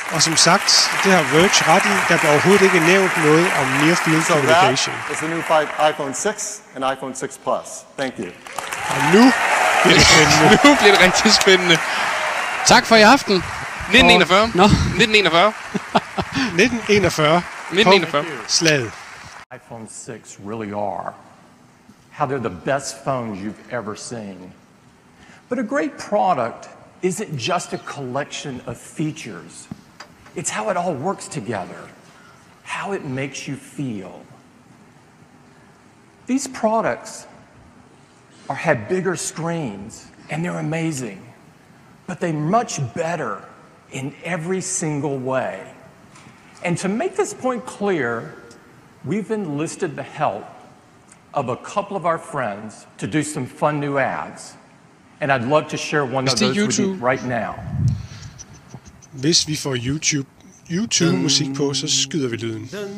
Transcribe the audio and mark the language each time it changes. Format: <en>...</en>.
<da>Og som sagt, det har Verge ret i, der bliver overhovedet ikke nævnt noget om near field communication.</da> <en>So that is the new 5 iPhone 6 and iPhone 6 Plus. Thank you.</en> <da>Og nu bliver det spændende. Nu bliver det rigtig spændende. Tak for i aften. 1941. Nå. 1941. 1941. Slaget.</da> <en>iPhone 6 really are how they're the best phones you've ever seen. But a great product isn't just a collection of features. It's how it all works together, how it makes you feel. These products have bigger screens, and they're amazing, but they're much better in every single way. And to make this point clear, we've enlisted the help of a couple of our friends to do some fun new ads. And I'd love to share one of those YouTube with you right now.</en> <da>Hvis vi får YouTube musik på, så skyder vi lyden.</da>